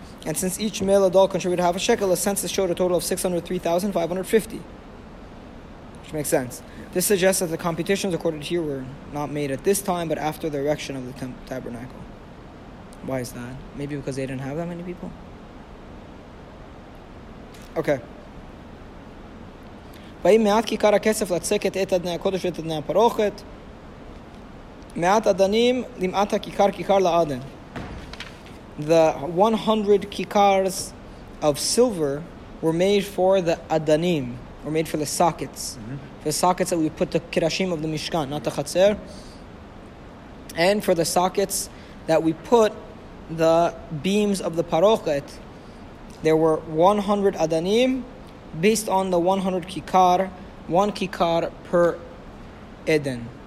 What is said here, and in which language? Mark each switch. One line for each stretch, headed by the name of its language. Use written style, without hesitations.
English: And since each male adult contributed half a shekel, a census showed a total of 603,550. Which makes sense. Yeah. This suggests that the computations recorded here were not made at this time, but after the erection of the tabernacle. Why is that? Maybe because they didn't have that many people? Okay.
Hebrew: ואם מעט כיכר הכסף לצקת את אדני הקודש ואת אדני הפרוכת, מעט אדנים למעט הכיכר כיכר לאדן.
English: The 100 kikars of silver were made for the adanim, were made for the sockets. Mm-hmm. For the sockets that we put the kirashim of the Mishkan, not the chatzer. And for the sockets that we put the beams of the parochet, there were 100 adanim based on the 100 kikar, one kikar per eden.